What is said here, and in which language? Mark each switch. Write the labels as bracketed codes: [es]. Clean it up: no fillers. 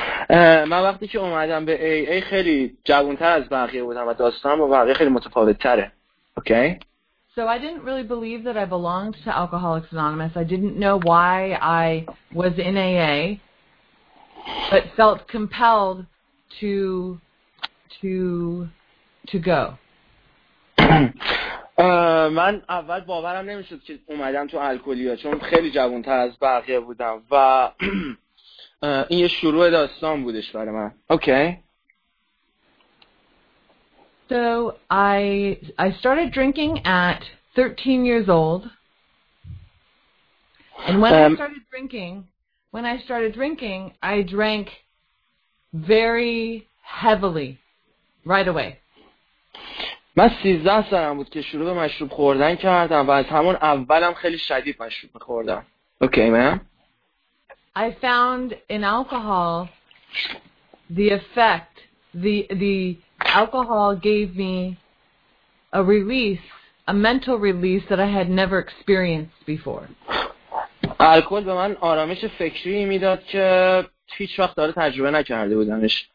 [fa] من وقتی که اومدم به AA خیلی جوان‌تر از بقیه بودم و داستانم با بقیه خیلی متفاوت‌تره. [en] Okay. So I didn't really believe that I belonged to Alcoholics Anonymous. I didn't know why I was in AA but felt compelled to go. [fa] من اول باورم نمیشد که اومدم تو الکلیا چون خیلی جوان‌تر از بقیه بودم و این یه شروع داستان بودش برای من. [en] Okay. So I started drinking at 13 years old. And when I started drinking, I drank very heavily right away. [fa] من 13 سالم بود که شروع به مشروب خوردن کردم و از همون اولم خیلی شدید مشروب می‌خوردم. [en] Okay, ma'am. I found in alcohol the effect the alcohol gave me a release, a mental release that I had never experienced before. [fa] الکل به من آرامش فکری میداد که هیچ وقت داره تجربه نکرده بودمش.